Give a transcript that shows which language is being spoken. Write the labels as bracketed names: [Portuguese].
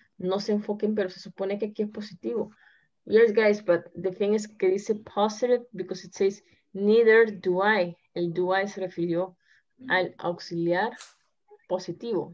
[Spanish] No se enfoquen, pero se supone que aquí es positivo. [English] Yes, guys, but the thing is [Spanish] que dice [English] positive because it says neither do I. [Spanish] El do I se refirió al auxiliar positivo.